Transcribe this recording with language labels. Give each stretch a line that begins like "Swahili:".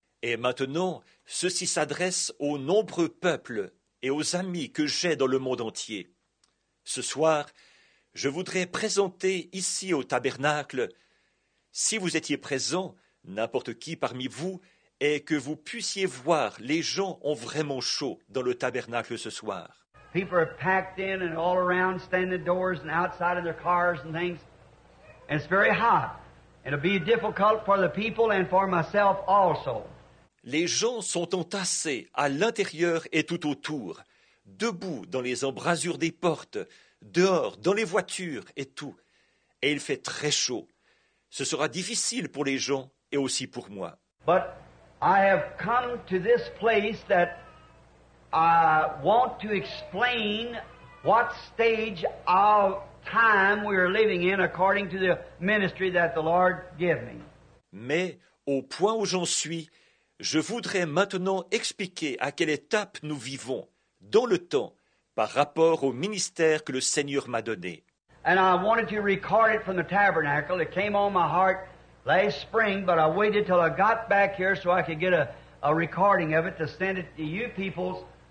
French: Et maintenant, ceci s'adresse aux nombreux peuples et aux amis que j'ai dans le monde entier. Ce soir, je voudrais présenter ici au tabernacle, si vous étiez présent, n'importe qui parmi vous, et que vous puissiez voir, les gens ont vraiment chaud dans le tabernacle ce soir.
English: People are packed in and all around, standing doors and outside of their cars and things. And it's very hot. It'll be difficult for the people and for myself also.
French: Les gens sont entassés à l'intérieur et tout autour, debout dans les embrasures des portes, dehors, dans les voitures et tout. Et il fait très chaud. Ce sera difficile pour les gens et aussi pour moi.
English: But I have come to this place that I want to explain what stage of time we are living in according to the ministry that the Lord gave me.
French: Mais au point où j'en suis, je voudrais maintenant expliquer à quelle étape nous vivons dans le temps par rapport au ministère que le Seigneur m'a donné.
English: And I wanted to record it from the tabernacle. It came on my heart last spring, but I waited till I got back here so I could get a recording of it to send it to you peoples.